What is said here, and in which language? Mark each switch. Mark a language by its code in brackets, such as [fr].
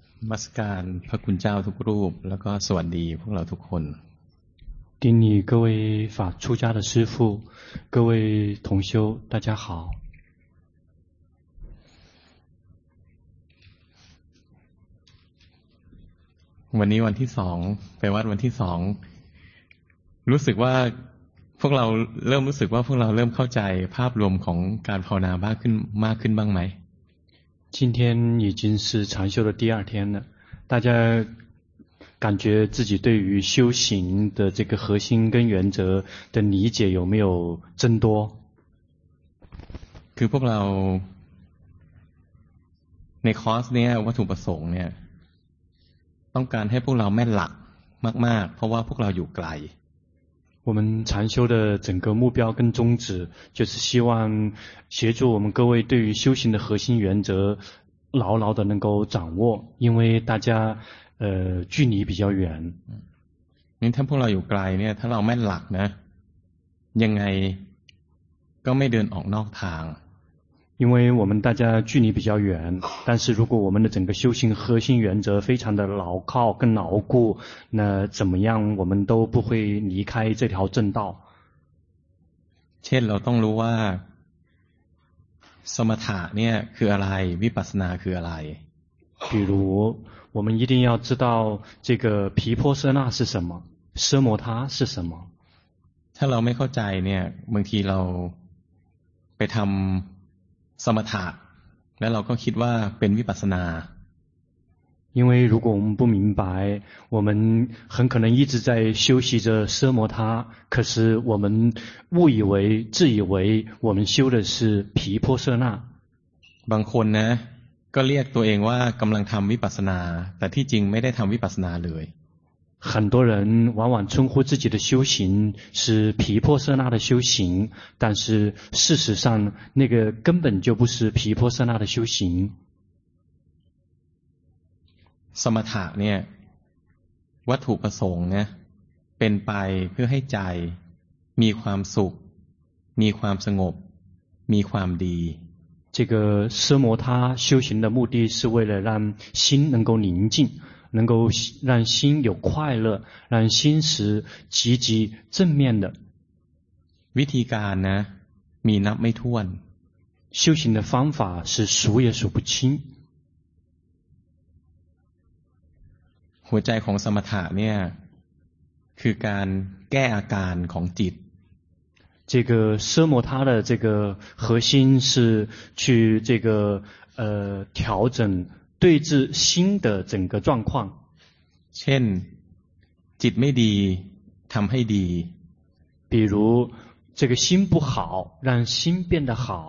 [th] มัสการพระคุณเจ้าทุกรูปแล้วก็สวัสดีพวกเราทุกคน [zh] 顶礼各位法出家的师父各位同修大家好 [th] วันนี้วันที่สองไปวัดวันที่สองรู้สึกว่าพวกเราเริ่มรู้สึกว่าพวกเราเริ่มเข้าใจภาพรวมของการภาวนาบ้างขึ้นมากขึ้นบ้างไหม [zh] 今天已经是禅修的第二天了，大家感觉自己对于修行的这个核心跟原则的理解有没有增多？ [th] คือพวกเราในคอร์สเนี้ยวัตถุประสงค์เนี้ยต้องการให้พวกเราแม่นหลักมากๆเพราะว่าพวกเราอยู่ไกล [zh] 我们禅修的整个目标跟宗旨就是希望协助我们各位对于修行的核心原则牢牢的能够掌握因为大家距离比较远 [th] นี่ถ้าพวกเราอยู่ไกลเนี่ยถ้าเราแม่นหลักนะยังไงก็ไม่เดินออกนอกทาง [zh] 因为我们大家距离比较远但是如果我们的整个修行核心原则非常的牢靠跟牢固那怎么样我们都不会离开这条正道 [th] เช่นเราต้องรู้ว่าสมถะเนี่ยคืออะไรวิปัสสนาคืออะไร [zh] 比如我们一定要知道这个毗婆舍那是什么奢摩他是什么 [th] ถ้าเราไม่เข้าใจเนี่ยบางทีเราไปทำสมถะแล้วเราก็คิดว่าเป็นวิปัสสนา [zh] 因为如果我们不明白我们很可能一直在修习着奢摩他可是我们误以为自以为我们修的是毗婆舍那 [th] บางคนนะก็เรียกตัวเองว่ากำลังทำวิปัสสนาแต่ที่จริงไม่ได้ทำวิปัสสนาเลย [zh] 很多人往往称呼自己的修行是毗婆舍那的修行但是事实上那个根本就不是毗婆舍那的修行 [th] สมถะเนี่ยวัตถุประสงค์เนี่ยเป็นไปเพื่อให้ใจมีความสุขมีความสงบมีความดี [zh] 这个奢摩他修行的目的是为了让心能够宁静能够让心有快乐让心是积极正面的 [th] วิธีการนะมีนับไม่ถ้วน [zh] 修行的方法是数也数不清 [th] หัวใจของสมถะเนี่ยคือการแก้อาการของจิต [zh] 这个奢摩他的这个核心是去这个调整对治心的整个状况 [th] เช่นจิตไม่ดีทำให้ดี [zh] 比如这个心不好让心变得好